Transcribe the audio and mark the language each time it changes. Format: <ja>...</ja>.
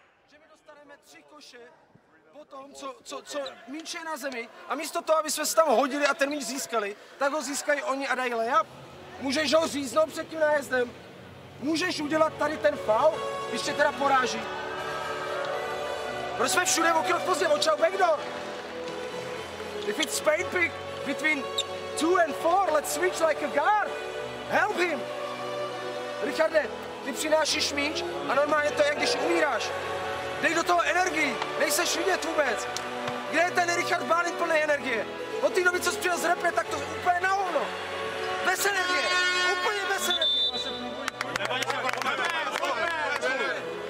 <cs>Že dostaneme tři koše po tom, co míč je na zemi a místo toho, aby jsme se tam hodili a ten míč získali, tak ho získají oni a dají lejap. Můžeš ho říznout před tím nájezdem. Můžeš udělat tady ten faul, když tě teda poráží. Proč jsme všude o krok pozdě,</cs> <en>watch out backdoor. If it's Spain pick between 2 and 4, let's switch like a guard. Help him.</en> <cs>Richarde, ty přinášíš míč a normálně to je, jak když umíráš. Dej do toho energii, nejseš vidět vůbec. Kde je ten Richard Bálint plný energie? Od té doby, co jsi přijel z repre, tak to úplně na hovno. Bez energie, úplně bez energie.</cs>